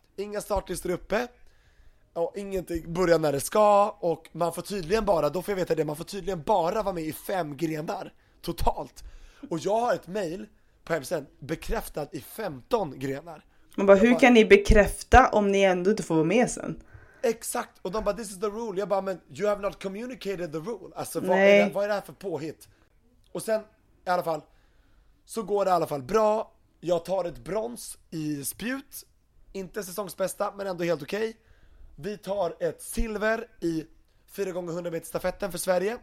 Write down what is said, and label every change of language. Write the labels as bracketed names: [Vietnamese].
[Swedish] Inga startlistor uppe. Och ingenting börjar när det ska. Och man får tydligen bara, då får jag veta det, man får tydligen bara vara med i 5 grenar totalt. Och jag har ett mejl på hemsidan bekräftat i 15 grenar. Man bara, hur kan ni bekräfta om ni ändå inte får vara med sen? Exakt. Och de bara, [English] this is the rule. [Swedish] Jag bara, men [English] you have not communicated the rule. [Swedish] Alltså, vad är det här för påhitt? Och sen, i alla fall, så går det i alla fall bra. Jag tar ett brons i spjut. Inte säsongsbästa, men ändå helt okej. Vi tar ett silver i 4x100 meter stafetten för Sverige.